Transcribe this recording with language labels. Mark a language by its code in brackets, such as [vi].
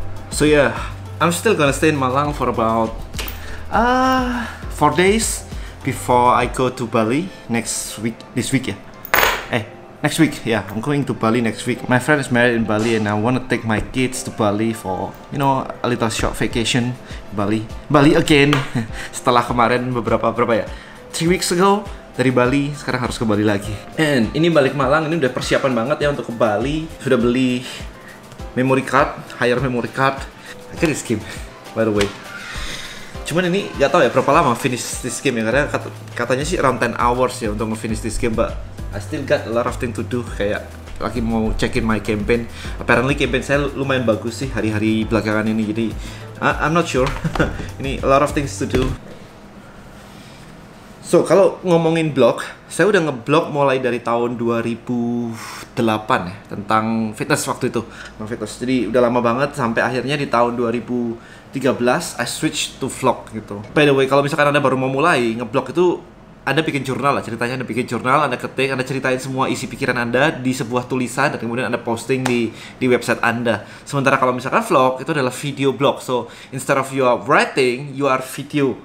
[en] So yeah, I'm still gonna stay in Malang for about 4 days before I go to Bali next week, I'm going to Bali next week. My friend is married in Bali and I wanna take my kids to Bali for, you know, a little short vacation. Bali again, [id] setelah kemarin beberapa ya, [en] 3 weeks ago [id] dari Bali, sekarang harus ke Bali lagi. And ini balik Malang, ini udah persiapan banget ya untuk ke Bali. Sudah beli [en] memory card, hire memory card. I can't escape, by the way. [id] cuman ini gak tahu ya berapa lama [en] finish this game [id] ya, karena katanya sih [en] around 10 hours [id] ya untuk nge-finish [en] this game, but I still got a lot of things to do, [id] kayak lagi mau [en] check-in my campaign. [id] Apparently campaign saya lumayan bagus sih hari-hari belakangan ini, jadi [en] I'm not sure. [id] Ini [en] a lot of things to do. [id] So, kalau ngomongin blog, saya udah nge-blog mulai dari tahun 2008 ya, tentang fitness waktu itu. Jadi udah lama banget, sampai akhirnya di tahun 2013, [en] I switch to vlog [id] gitu. [en] By the way, [id] kalau misalkan Anda baru mau mulai nge-blog itu, Anda bikin jurnal lah, ceritanya Anda bikin jurnal, Anda ketik, Anda ceritain semua isi pikiran Anda di sebuah tulisan, dan kemudian Anda posting di website Anda. Sementara kalau misalkan vlog, itu adalah video blog. [en] So, instead of you are writing, you are video.